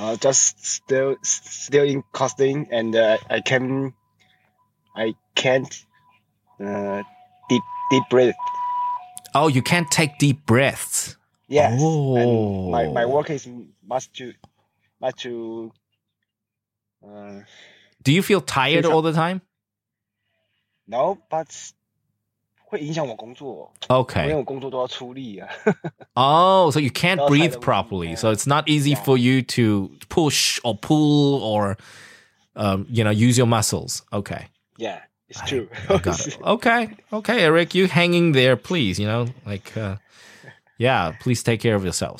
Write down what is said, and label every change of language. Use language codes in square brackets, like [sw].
[en] Still in coughing and I can't deep breathe. Oh, you can't take deep breaths. Yes. Oh. And my work is much too. Do you feel tired all the time? No, but [zh] 会影响我工作. [en] Okay. [zh] 因为我工作都要出力啊. [en] Oh, so you can't breathe properly. So it's not easy for you to push or pull or, use your muscles. Okay. Yeah. It's true. Okay, Eric, you hang in there, please. You know, please take care of yourself.